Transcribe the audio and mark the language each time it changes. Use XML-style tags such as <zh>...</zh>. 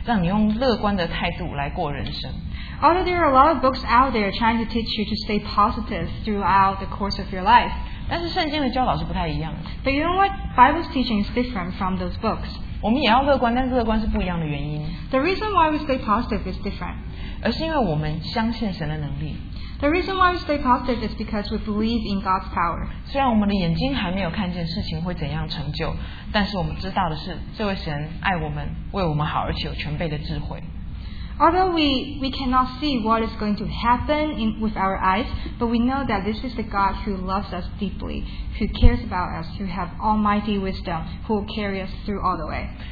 <zh>虽然有很多市面上的处世学会教导你要有这样子的信念，让你用乐观的态度来过人生。</zh> <en>Although there are a lot of books out there trying to teach you to stay positive throughout the course of your life.</en> <zh>但是圣经的教导是不太一样的。</zh> <en>But you know what? Bible's teaching is different from those books.</en> <zh>我们也要乐观，但是乐观是不一样的原因。</zh> <en>The reason why we stay positive is different.</en> <zh>而是因为我们相信神的能力。</zh> <en>The reason why we stay positive is because we believe in God's power.</en> <zh>虽然我们的眼睛还没有看见事情会怎样成就，但是我们知道的是，这位神爱我们，为我们好，而且有全备的智慧。</zh> <en>Although we cannot see what is going to happen with our eyes, but we know that this is the God who loves us deeply, who cares about us, who has almighty wisdom, who will carry us through all the way.</en>